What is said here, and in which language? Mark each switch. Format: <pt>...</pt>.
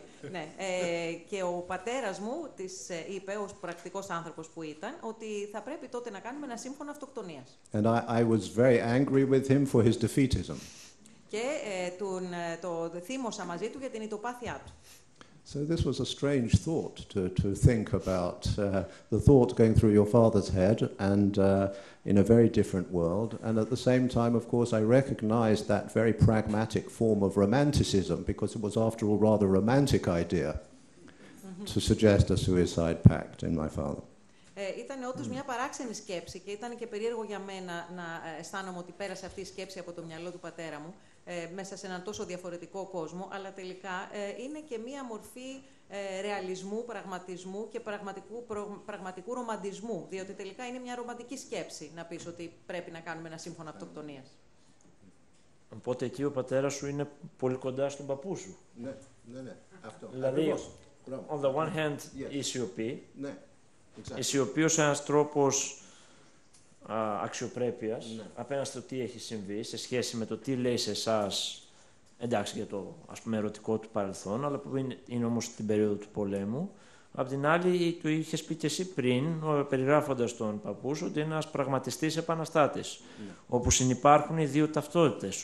<el>Ναι, και ο πατέρας μου της είπε, ως πρακτικός άνθρωπος που ήταν, ότι θα πρέπει τότε να κάνουμε ένα σύμφωνο αυτοκτονίας.</el> <en>And I was very angry with him for his defeatism.</en> <el>Και τον θύμωσα μαζί του για την ιτοπάθειά του.</el> <en>So this was a strange thought to think about the thought going through your father's head and in a very different world. And at the same time, of course, I recognized that very pragmatic form of romanticism, because it was, after all, rather a romantic idea to suggest a suicide pact in my father.</en> <el>Ήταν όντως μια παράξενη σκέψη και ήταν και περίεργο για μένα να αισθάνομαι ότι πέρασε αυτή η σκέψη από το μυαλό του πατέρα μου μέσα σε έναν τόσο διαφορετικό κόσμο, αλλά τελικά είναι και μια μορφή ρεαλισμού, πραγματισμού και πραγματικού ρομαντισμού, διότι τελικά είναι μια ρομαντική σκέψη να πεις ότι πρέπει να κάνουμε ένα σύμφωνο αυτοκτονίας. Οπότε εκεί ο πατέρας σου είναι πολύ κοντά στον παππού σου. Ναι, ναι, ναι. Αυτό. Δηλαδή,</el> <en>on the one hand,</en> <el>η σιωπή. Ναι. Η σιωπή ως ένας τρόπος αξιοπρέπειας, ναι, απέναντι στο τι έχει συμβεί σε σχέση με το τι λέει σε εσάς, εντάξει, για το, ας πούμε, ερωτικό του παρελθόν, αλλά που είναι όμως την περίοδο του πολέμου. Απ' την άλλη, του είχες πει και εσύ πριν, περιγράφοντας τον παππούς, ότι είναι ένας πραγματιστής επαναστάτης, ναι, όπου συνυπάρχουν οι δύο ταυτότητες.</el>